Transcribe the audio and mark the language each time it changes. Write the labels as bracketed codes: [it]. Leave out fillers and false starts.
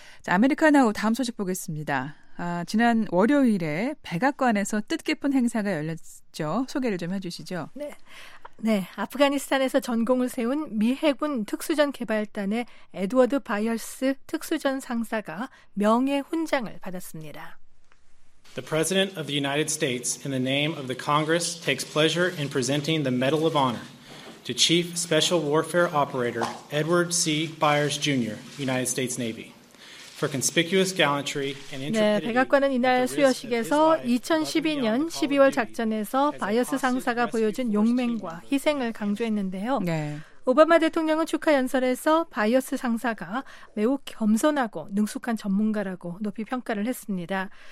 [ko] 자, 아메리카나우 다음 소식 보겠습니다. 아, 지난 월요일에 백악관에서 뜻깊은 행사가 열렸죠. 소개를 좀 해주시죠. 네. 네, 아프가니스탄에서 전공을 세운 미 해군 특수전 개발단의 에드워드 바이얼스 특수전 상사가 명예 훈장을 받았습니다. [en] The President of the United States, in the name of the Congress, takes pleasure in presenting the Medal of Honor to Chief Special Warfare Operator Edward C. Byers Jr., United States Navy. For conspicuous gallantry and intrepidity. [ko] 네, 백악관은 이날 수여식에서 2012년 12월 작전에서 바이어스 상사가 보여준 용맹과 희생을 강조했는데요. 네. 오바마 대통령은 축하 연설에서 바이어스 상사가 매우 겸손하고 능숙한 전문가라고 높이 평가를 했습니다.